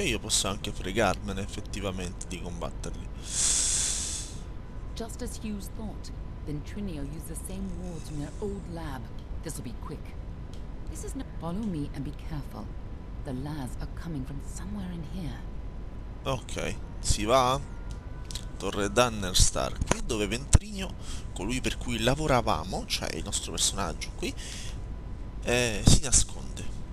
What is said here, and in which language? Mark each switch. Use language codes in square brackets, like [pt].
[it] E io posso anche fregarmene effettivamente di combatterli. [en] Just as Hughes thought, Ventrinio used the same wards in their old lab. This will be quick. This is no. Follow me and be careful. The Laz are coming from somewhere in here. [it] Ok, si va? Torre Dannerstar, qui dove Ventrinio, colui per cui lavoravamo, cioè il nostro personaggio qui, si nasconde.